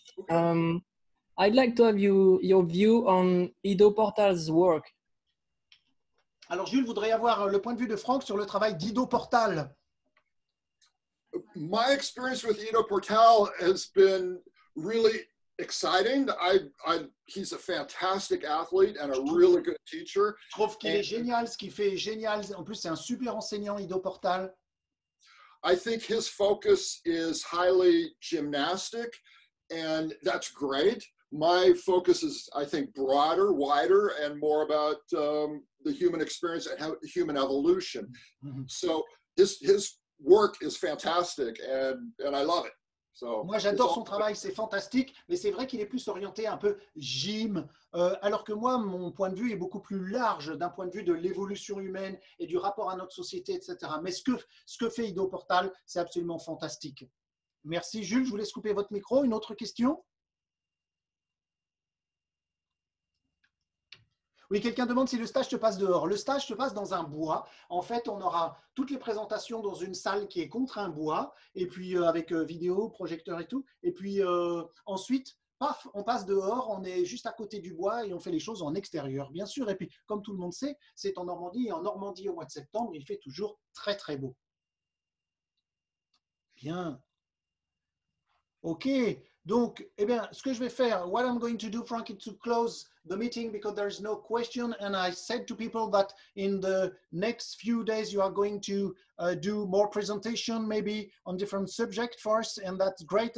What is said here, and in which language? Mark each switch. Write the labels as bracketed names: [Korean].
[English] I'd like to have your view on IDO Portal's work. [French] Alors Jules voudrait avoir le point de vue de Frank sur le travail d'IDO Portal. [English] My experience with IDO Portal has been really exciting. He's a fantastic athlete and a really good teacher. [French] Je trouve qu'il est génial, ce qu'il fait est génial. En plus, c'est un super enseignant, IDO Portal. [English] I think his focus is highly gymnastic, and that's great. My focus is, I think, broader, wider, and more about the human experience and human evolution. Mm-hmm. So his work is fantastic, and I love it. So [French] moi, j'adore son travail, c'est fantastique, mais c'est vrai qu'il est plus orienté un peu gym, alors que moi, mon point de vue est beaucoup plus large d'un point de vue de l'évolution humaine et du rapport à notre société, etc. Mais ce que fait IDO Portal, c'est absolument fantastique. Merci, Jules. Je vous laisse couper votre micro. Une autre question ? Oui, quelqu'un demande si le stage se passe dehors. Le stage se passe dans un bois. En fait, on aura toutes les présentations dans une salle qui est contre un bois, et puis avec vidéo, projecteur et tout. Et puis ensuite, paf, on passe dehors, on est juste à côté du bois et on fait les choses en extérieur, bien sûr. Et puis, comme tout le monde sait, c'est en Normandie. Et en Normandie, au mois de septembre, il fait toujours très, très beau. Bien. OK. Donc, eh bien, ce que je vais faire, [English] what I'm going to do, Frank, is to close the meeting because there is no question. And I said to people that in the next few days, you are going to do more presentation, maybe on different subjects for us. And that's great.